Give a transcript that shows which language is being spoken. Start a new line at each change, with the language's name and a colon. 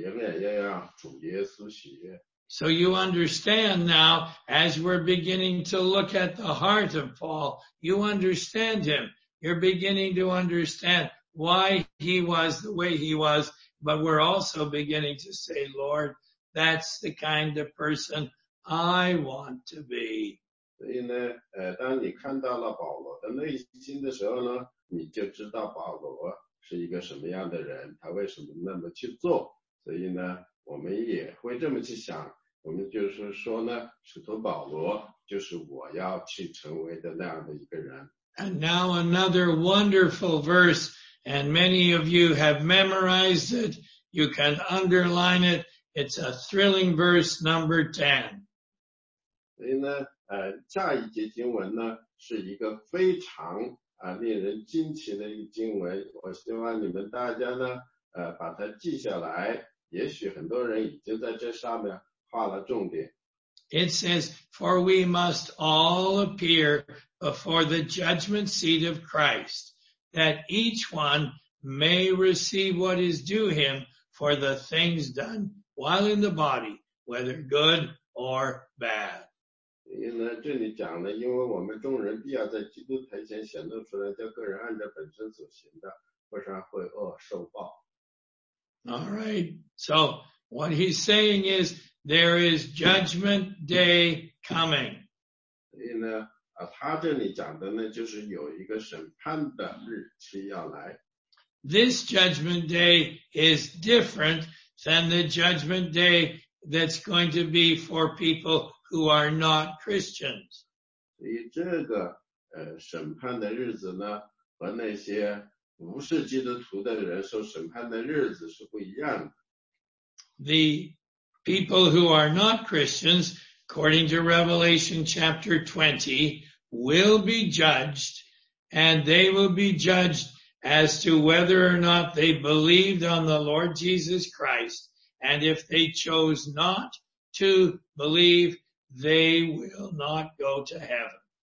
Chinese: 所以他说呢，在保罗的这里说，我立了志向要得主的喜悦。所以呢，不论我们现在在这里还是在那里，我们永远，我永远要让主耶稣喜悦。
English: So you understand now, as we're beginning to look at the heart of Paul, you understand him. You're beginning to understand why he was the way he was, but we're also beginning to say, Lord, that's the kind of person I want to be.
Chinese: 所以呢，当你看到了保罗的内心的时候呢，你就知道保罗是一个什么样的人，他为什么那么去做。所以呢，我们也会这么去想，我们就是说呢，使徒保罗就是我要去成为的那样的一个人。
English: And now another wonderful verse, and many of you have memorized it. You can underline it. It's a thrilling verse, number 10.
Chinese: 所以呢，下一节经文呢，是一个非常令人惊奇的一个经文。我希望你们大家呢，把它记下来。也许很多人已经在这上面画了重点。
English: It says, for we must all appear before the judgment seat of Christ, that each one may receive what is due him for the things done while in the body, whether good or bad.
Chinese: 因为呢，这里讲了，因为我们众人必要在基督台前显露出来，叫个人按照本身所行的，不然会恶受报。
English: All right. So what he's saying is,There is judgment day coming.
Chinese: 所以呢，他这里讲的呢，就是有一个审判的日期要来。
English: This judgment day is different than the judgment day that's going to be for people who are not Christians.
Chinese: 所以这个审判的日子呢，和那些不是基督徒的人受审判的日子是不一样的。
English: People who are not Christians, according to Revelation chapter 20, will be judged, and they will be judged as to whether or not they believed on the Lord Jesus Christ, and if they chose not to believe, they will not go to heaven.